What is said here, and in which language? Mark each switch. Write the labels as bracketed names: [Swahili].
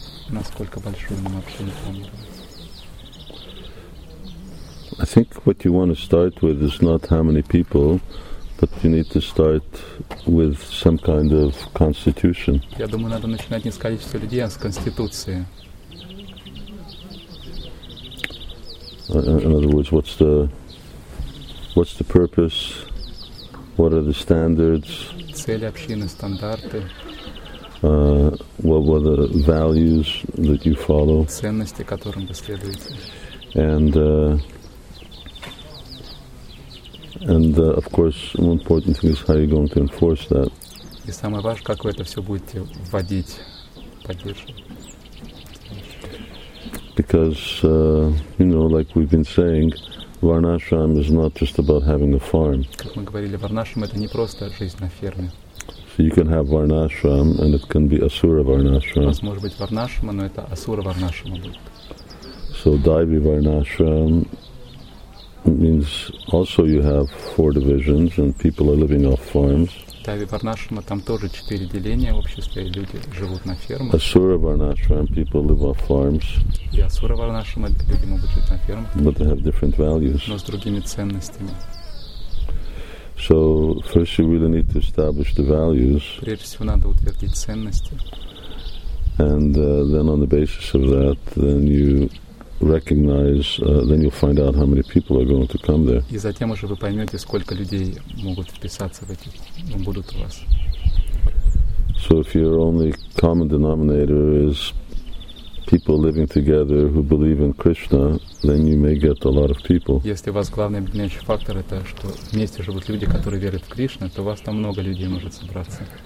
[Russian] Насколько большой мы вообще не планируем? [English] I think what you want to start with is not how many people, but you need to start with some kind of constitution. [Russian] Я думаю, надо начинать не с количества людей, а с конституции. [English] In other words, what's the purpose? What are the standards? [Russian] Цели общины, стандарты. [English] What were the values that you follow? [Russian] Ценности, которым вы следуете. [English] And of course, one important thing is how you're going to enforce that. [Russian] И самое важное, как вы это все будете вводить, поддерживать. [English] Because you know, like we've been saying, Varnashram is not just about having a farm. [Russian] Как мы говорили, Варнашрам это не просто жизнь на ферме. [English] So you can have Varnashram, and it can be Asura Varnashram. [Russian] У вас может быть Варнашрама, но это Асура Варнашрама будет. [English] So Daivi Varnashram means also you have 4 divisions and people are living off farms. [Russian] Daivi Varnashrama, там тоже 4 деления общества, и люди живут на фермах. [English] Asura Varnashram, people live off farms. [Russian] И Асура Варнашрама, люди могут жить на фермах. [English] But they have different values. [Russian] Но с другими ценностями. [English] So first you really need to establish the values. [Russian] Прежде всего надо утвердить ценности. [English] And then on the basis of that, then you recognize, then you'll find out how many people are going to come there. [Russian] И затем уже вы поймете, сколько людей могут вписаться в эти, будут у вас. [English] So if your only common denominator is people living together who believe in Krishna, then you may get a lot of people. [Russian] Если у вас главный объединяющий фактор это, что вместе живут люди, которые верят в Кришну, то у вас там много людей может собраться.